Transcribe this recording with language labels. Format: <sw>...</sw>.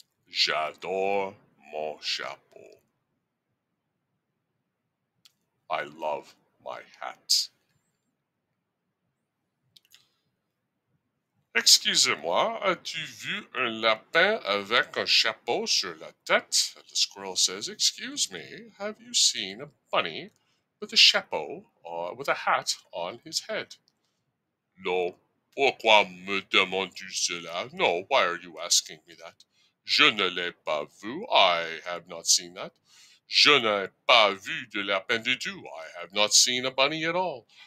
<fr>J'adore mon chapeau.</fr> <en>I love my hat.</en> <fr>Excusez-moi, as-tu vu un lapin avec un chapeau sur la tête?</fr> <en>And the squirrel says, excuse me, have you seen a bunny with a chapeau, with a hat on his head? No,</en> <fr>Pourquoi me demandes-tu cela?</fr> <en>No, why are you asking me that?</en> <fr>Je ne l'ai pas vu.</fr> <en>I have not seen that.</en> <fr>Je n'ai pas vu de lapin du tout.</fr> <en>I have not seen a bunny at all.</en>